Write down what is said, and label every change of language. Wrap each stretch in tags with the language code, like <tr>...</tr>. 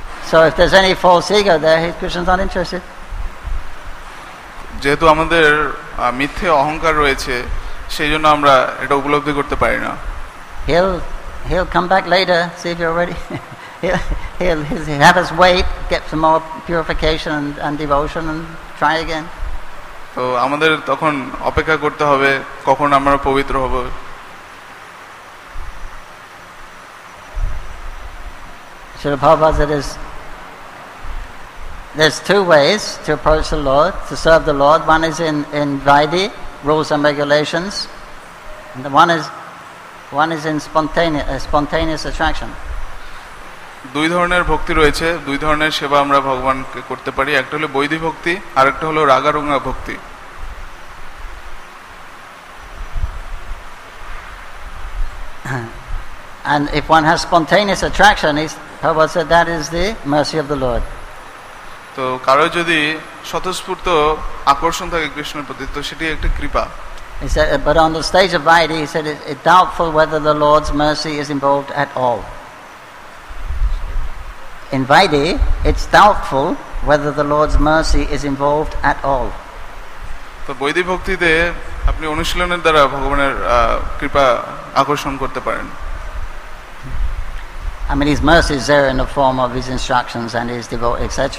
<en>So if there's any false ego there, Krishna's not interested.</en> <bn>যেহেতু আমাদের মিথ্যে অহংকার রয়েছে, সেই জন্য আমরা এটা উপলব্ধি করতে পারি না।</bn> <en>He'll come back later, see if you're ready. he'll have us wait, get some more purification and devotion and try again.</en> <bn>তো আমাদের তখন অপেক্ষা করতে হবে কখন আমরা পবিত্র হব।</bn> <en>Shri Prabhupada said there's two ways to approach the Lord, to serve the Lord. One is in Vaidhi, rules and regulations, and one is in spontaneous attraction.</en> <bn>দুই ধরনের ভক্তি রয়েছে, দুই ধরনের সেবা আমরা ভগবানকে করতে পারি, একটা হলো বৈধি ভক্তি আর একটা হলো রাগারঙ্গা ভক্তি।</bn> <en>And if one has spontaneous attraction, Prabhupada said that is the mercy of the Lord.</en> <bn>তো কারো যদি স্বতঃস্ফূর্ত আকর্ষণ থাকে কৃষ্ণের প্রতি, তো সেটি একটা কৃপা.</bn> <en>He said, but on the stage of Vaidhi, he said it's doubtful whether the Lord's mercy is involved at all. In Vaidhi, it's doubtful whether the Lord's mercy is involved at all.</en> <bn>তো বৈদিক ভক্তিতে আপনি অনুশীলনের দ্বারা ভগবানের কৃপা আকর্ষণ করতে পারেন.</bn> <en>I mean, his mercy is there in the form of his instructions and his devotee, etc.</en>